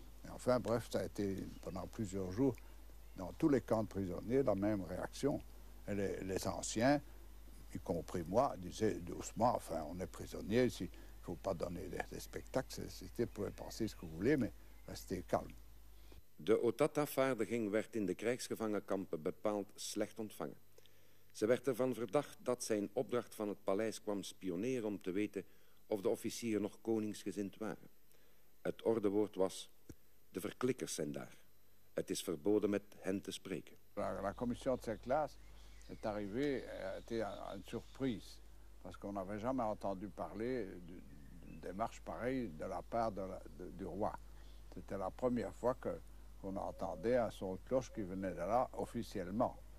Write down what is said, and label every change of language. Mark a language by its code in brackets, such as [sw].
[fr] Et enfin, bref, ça a été pendant plusieurs jours, dans tous les camps de prisonniers, la même réaction. Et les anciens, y compris moi, disait doucement, enfin, on est prisonnier ici, il ne faut pas donner des spectacles, vous pouvez penser ce que vous voulez, mais restez calme. [nl] De OTAD-afvaardiging werd in de krijgsgevangenkampen bepaald slecht ontvangen. Ze werd ervan verdacht dat zij in opdracht van het paleis kwam spioneren om te weten of de officieren nog koningsgezind waren. Het ordewoord was, de verklikkers zijn daar. Het is verboden met hen te spreken. [fr] La commission de Saint-Claas est arrivé, était une surprise, parce qu'on n'avait jamais entendu parler d'une démarche pareille de la part du roi. C'était la première fois qu'on entendait un son de cloche qui venait de là officiellement.